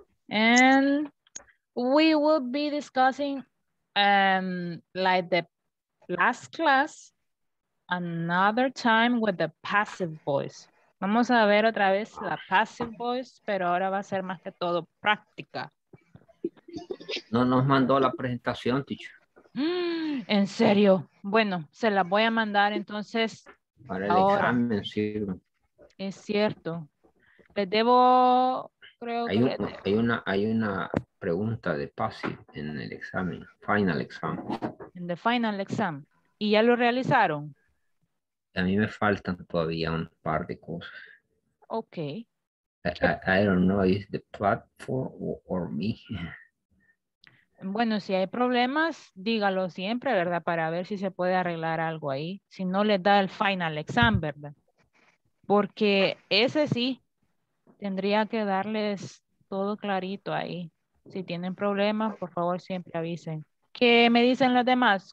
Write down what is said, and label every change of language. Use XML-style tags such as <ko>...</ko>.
<en>And we will be discussing, like the last class, another time with the passive voice.</en> <es>Vamos a ver otra vez la passive voice, pero ahora va a ser más que todo práctica. No nos mandó la presentación, teacher. ¿En serio? Bueno, se la voy a mandar entonces. Para el ahora. Examen, sí. Es cierto. Les debo, creo hay que... Un, hay una pregunta de passive en el examen, final exam. En el final exam. ¿Y ya lo realizaron? A mí me faltan todavía un par de cosas.</es> <en>Ok. I don't know if the platform or me.</en> <es>Bueno, si hay problemas, dígalo siempre, ¿verdad? Para ver si se puede arreglar algo ahí. Si no, les da el final exam, ¿verdad? Porque ese sí tendría que darles todo clarito ahí. Si tienen problemas, por favor, siempre avisen. ¿Qué me dicen los demás?</es>